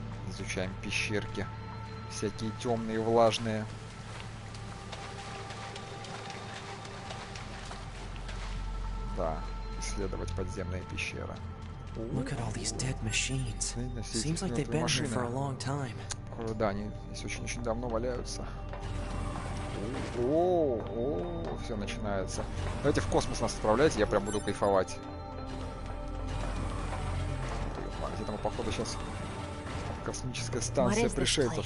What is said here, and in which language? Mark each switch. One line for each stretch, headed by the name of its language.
Russian: Изучаем пещерки. Всякие темные, влажные. Да. Исследовать подземные пещеры.
English: Look at all these dead machines. Seems like they've been here for a long time.
Russian: Да, они здесь очень-очень давно валяются. Все начинается. Давайте в космос нас отправлять, я прям буду кайфовать. Где там, походу, сейчас космическая станция пришельцев?